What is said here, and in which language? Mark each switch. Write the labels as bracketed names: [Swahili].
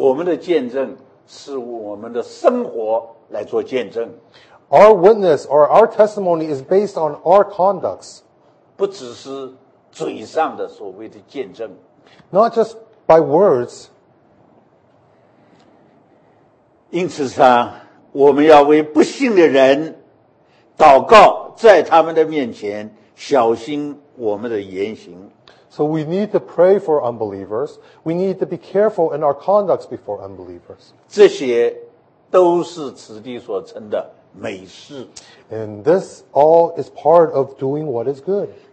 [Chinese] 我们的见证是我们的生活来做见证。 [English] Our witness or our testimony is based on our conducts. [Chinese] 不只是 嘴上的所谓的见证, [English] not just by words. [Chinese] 因此上, 我们要为不信的人祷告在他们的面前, 小心我们的言行。 [English] So we need to pray for unbelievers. We need to be careful in our conducts before unbelievers. [Chinese] 这些都是此地所称的美事。 [English] And this all is part of doing what is good.